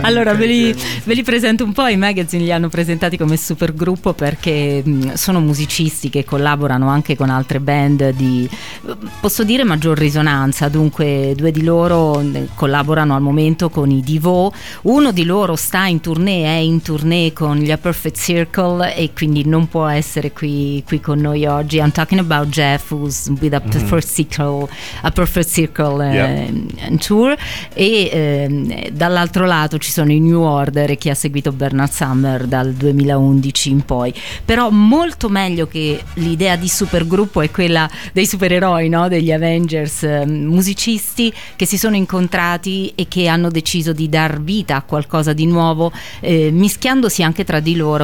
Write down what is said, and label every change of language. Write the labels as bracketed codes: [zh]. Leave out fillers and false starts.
[it] Allora ve li presento un po'. I magazine li hanno presentati come supergruppo perché sono musicisti che collaborano anche con altre band di, posso dire, maggior risonanza. Dunque due di loro collaborano al momento con i Divo, uno di loro sta in tournée, è in tournée con gli A Perfect Circle e quindi non può essere qui con noi oggi. [en] I'm talking about Jeff, who's with a perfect circle and tour. [it] E dall'altro lato ci sono i New Order, che ha seguito Bernard Summer dal 2011 in poi. Però molto meglio che l'idea di supergruppo è quella dei supereroi, no? Degli Avengers, musicisti che si sono incontrati e che hanno deciso di dar vita a qualcosa di nuovo, mischiandosi anche tra di loro.